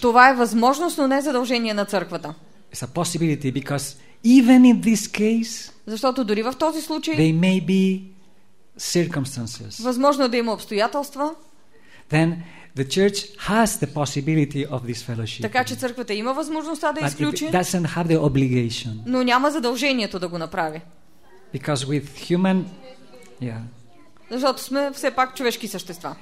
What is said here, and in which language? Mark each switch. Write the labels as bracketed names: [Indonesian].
[Bulgarian] Това е възможност, но не задължение на църквата. [English] It's a possibility because even in this case, [Bulgarian] защото дори в този случай, [English] they may be circumstances. [Bulgarian] Възможно да има обстоятелства. [English] Then the church has the possibility of this fellowship. [Bulgarian] Така че църквата има възможността да изключи. [English] But it doesn't have the obligation. [Bulgarian] Но няма задължението да го направи. [English] Because with human, yeah. [Bulgarian] Защото сме все пак човешки същества.